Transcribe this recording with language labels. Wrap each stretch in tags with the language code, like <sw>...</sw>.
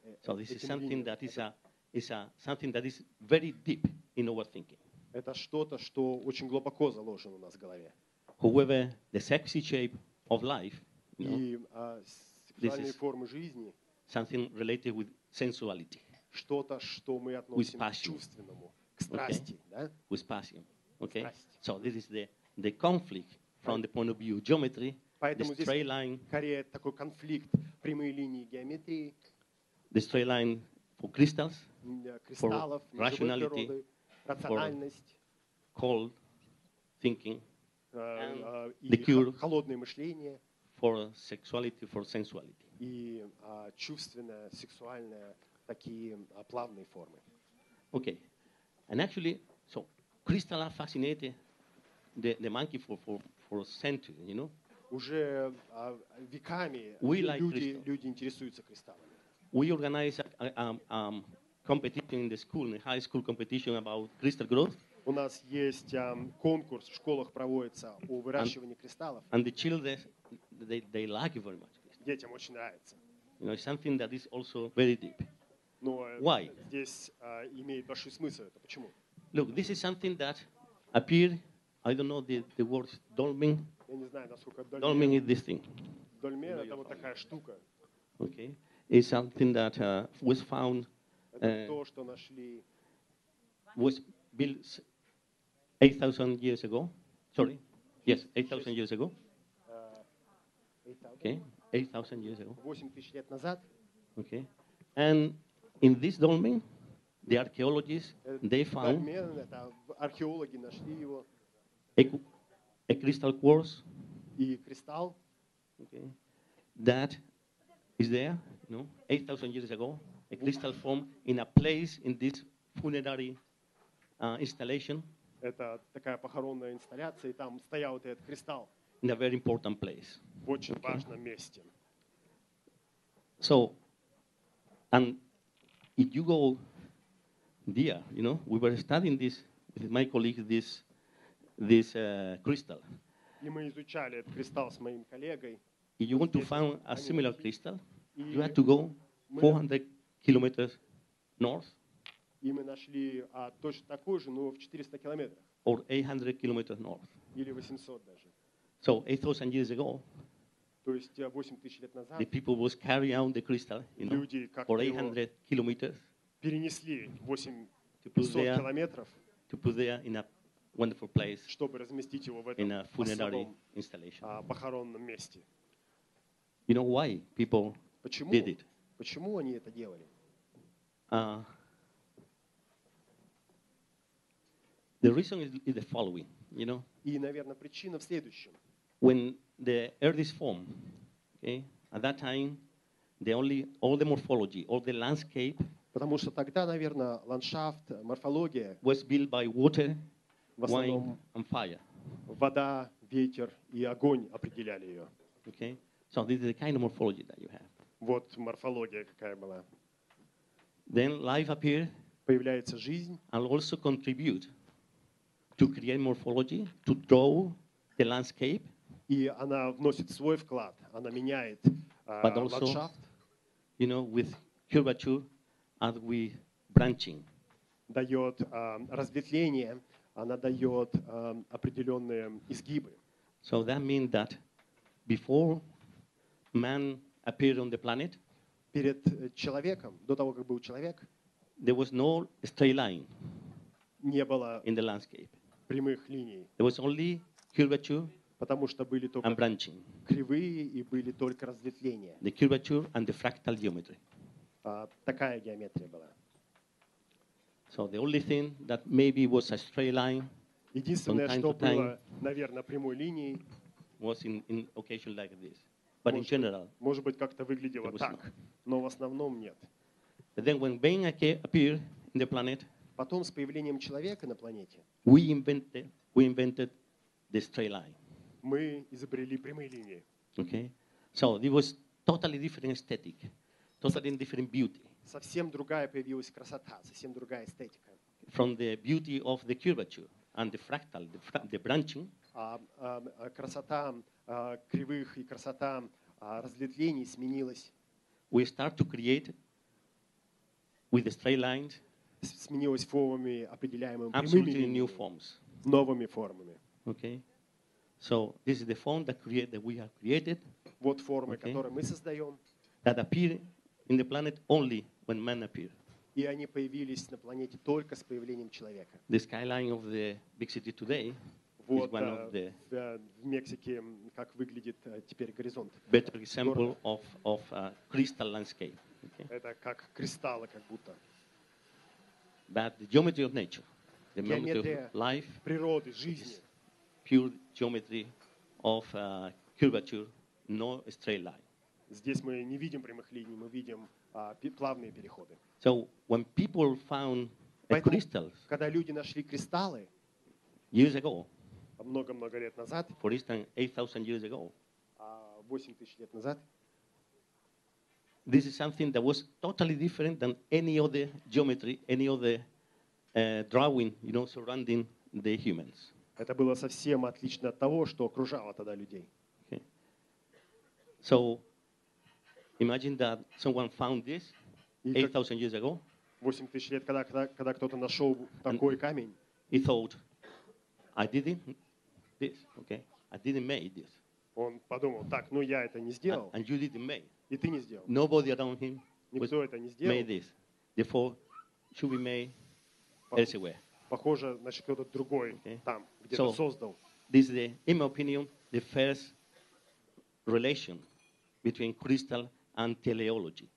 <en>So this is something that is something that is very deep in our thinking.</en> <ru>Это что-то, что очень глубоко заложено у нас в голове.</ru> <en>However, the sexy shape of life,</en> <ru>и сексуальные формы жизни,</ru> <en>something related with sensuality.</en> <ru>Что-то, что мы относим к чувственному, к страсти, да?</ru> <en>With passion. Okay. So this is the conflict from the point of view of geometry.</en> <ru>Поэтому</ru> <en>the straight line,</en> <ru>здесь скорее такой конфликт прямой линии геометрии,</ru> <en>the straight line for crystals,</en> <ru>кристаллов,</ru> <en>for rationality,</en> <ru>рациональность,</ru> <en>cold thinking,</en> <ru>и холодное мышление,</ru> <en>for sexuality, for sensuality.</en> <ru>И чувственное, сексуальное, такие плавные формы.</ru> <en>Okay. And actually, so crystals are fascinated the monkey for centuries, you know?</en> <ru>Уже веками люди интересуются кристаллами.</ru> <en>We organize a competition in the school, in the high school competition about crystal growth.</en> <ru>У нас есть конкурс в школах проводится о выращивании кристаллов.</ru> <en>And the children, they like it very much.</en> <ru>Детям очень нравится.</ru> <en>You know, it's something that is also very deep.</en> <ru>Но</ru> <en>why?</en> <ru>Здесь имеет большой смысл это. Почему?</ru> <en>Look, this is something that appeared, I don't know the word dolmen.</en> <ru>Я не знаю, насколько</ru> <en>дольмен. Dolmen is this thing.</en> <ru>Дольмен — это вот такая штука.</ru> <en>Okay. It's something that was found.</en> <ru>Это то, что нашли.</ru> <en>Was built 8,000 years ago. Sorry. Yes, 8,000 years ago. Okay. 8,000 years ago.</en> <ru>8,000 лет назад.</ru> <en>Okay. And in this dolmen, the archaeologists, they found</en> <ru>археологи нашли его.</ru> <en>A crystal quartz.</en> <ru>И кристалл.</ru> <en>Okay. That is there, you know, 8,000 years ago, a crystal form in a place in this funerary installation.</en> <ru>Это такая похоронная инсталляция, и там стоял вот этот кристалл.</ru> <en>In a very important place.</en> <ru>В очень okay. важном месте.</ru> <en>So, and if you go there, you know, we were studying this with my colleague, this crystal.</en> <ru>И мы изучали этот кристалл с моим коллегой.</ru> <en>If you want to find a similar crystal, you have to go 400 kilometers north.</en> <ru>И мы нашли точно такую же, но в 400 километрах.</ru> <en>Or 800 kilometers north.</en> <ru>Или 800 даже.</ru> <en>So 8,000 years ago,</en> <ru>то есть 8,000 лет назад,</ru> <en>the people was carrying out the crystal, you know,</en> <ru>люди как-то</ru> <en>for 800 kilometers,</en> <ru>перенесли 800 километров,</ru> <en>to put there in a wonderful place,</en> <ru>чтобы разместить его в этом</ru> <en>in a funerary installation.</en> <ru>Похоронном месте.</ru> <en>You know why people</en> <ru>почему?</ru> <en>Did it?</en> <ru>Почему они это делали?</ru> <en>The reason is the following, you know.</en> <ru>И, наверное, причина в следующем.</ru> <en>When the earth is formed, okay, at that time, the only all the morphology, all the landscape.</en> <ru>Потому что тогда, наверное, ландшафт, морфология.</ru> <en>Was built by water, wine, and fire.</en> <ru>Вода, ветер и огонь определяли ее.</ru> <en>Okay, so this is the kind of morphology that you have.</en> <ru>Вот морфология какая была.</ru> <en>Then life appeared.</en> <ru>Появляется жизнь.</ru> <en>And also contribute. To create morphology, to draw the landscape.</en> <ru>И она вносит свой вклад. Она меняет ландшафт.</ru> <en>You know, with curvature and with branching.</en> <ru>Дает разветвление. Она дает определенные изгибы.</ru> <en>So that means that before man appeared on the planet,</en> <ru>перед человеком, до того как был человек,</ru> <en>there was no straight line.</en> <ru>Не было</ru> <en>in the landscape.</en> <ru>Прямых линий.</ru> <en>There was only curvature,</en> <ru>потому что были только</ru> <en>and branching.</en> <ru>Кривые и были только разветвления.</ru> <en>The curvature and the fractal geometry.</en> <ru>Такая геометрия была.</ru> <en>So the only thing that maybe was a straight line,</en> <ru>единственное,</ru> <en>from time</en> <ru>что</ru> <en>to time,</en> <ru>было, наверное, прямой линией,</ru> <en>was in occasion like this. But in general,</en> <ru>может быть, как-то выглядело так, но в основном нет.</ru> <en>But then when being appeared in the planet.</en> <ru>Потом с появлением человека на планете</ru> <en>we invented the straight line.</en> <ru>Мы изобрели прямые линии.</ru> <en>Okay. So it was totally different aesthetic, totally different beauty.</en> <ru>Совсем другая появилась красота, совсем другая эстетика.</ru> <en>From the beauty of the curvature and the fractal, the branching.</en> <ru>Красота кривых и красота разветвлений сменилась.</ru> <en>We start to create with the straight lines.</en> <ru>Сменилось формами, определяемыми прямыми линиями, новыми формами.</ru> <en>Okay. So this is the form that create, that we have created.</en> <ru>Вот формы, okay. которые мы создаем.</ru> <en>That appear in the planet only when man appear.</en> <ru>И они появились на планете только с появлением человека.</ru> <en>The skyline of the big city today</en> <ru>вот,</ru> <en>is one of the</en> <ru>в Мексике как выглядит теперь горизонт.</ru> <en>Better example of a crystal landscape. Okay.</en> <ru>Это как кристаллы, как будто.</ru> <en>But the geometry of nature, the geometry of life,</en> <ru>природы, жизни,</ru> <en>is pure geometry of curvature, no straight line.</en> <ru>Здесь мы не видим прямых линий, мы видим плавные переходы.</ru> <en>So when people found crystals,</en> <ru>когда люди нашли кристаллы,</ru> <en>years ago,</en> <ru>много-много лет назад,</ru> <en>for instance, 8,000 years ago,</en> <ru>8,000 лет назад,</ru> <en>this is something that was totally different than any other geometry, any other drawing, you know, surrounding the humans.</en> <ru>Это было совсем отлично от того, что окружало тогда людей.</ru> <en>So, imagine that someone found this 8,000 years ago.</en> <ru>8,000 лет, когда кто-то нашел такой камень.</ru> <en>He thought, I didn't this, okay? I didn't make this.</en> <ru>Он подумал, так, ну я это не сделал.</ru> <en>And you didn't make.</en> <ru>И ты не сделал.</ru> <en>Nobody around him</en> <ru>никто это не сделал.</ru> <en>Made this. Therefore, should be made elsewhere.</en> <ru>похоже, значит, кто-то другой okay. там где-то so, создал.</ru> <en>This is the, in my opinion, the first relation between crystal and teleology.</en>